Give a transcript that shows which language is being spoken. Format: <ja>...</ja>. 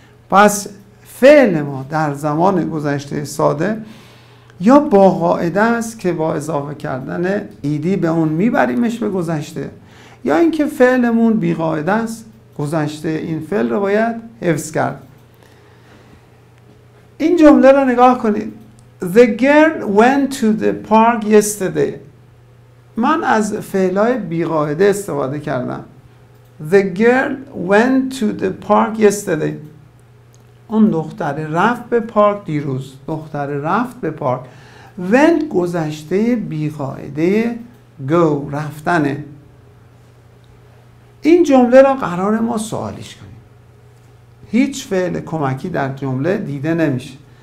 <fa>پس فعل ما در زمان گذشته ساده یا با قاعده است که با اضافه کردن ایدی به اون میبریمش به گذشته، یا اینکه فعلمون بی قاعده است، گذشته این فعل رو باید حفظ کرد. این جمله رو نگاه کنید:</fa> <en>The girl went to the park yesterday.</en> <fa>من از فعلای بی قاعده استفاده کردم.</fa> <en>The girl went to the park yesterday.</en> <fa>اون دختر رفت به پارک دیروز. دختر رفت به پارک. went گذشته بیقاعده go، رفتنه. این جمله را قرار ما سوالیش کنیم. هیچ فعل کمکی در جمله دیده نمیشه.</fa>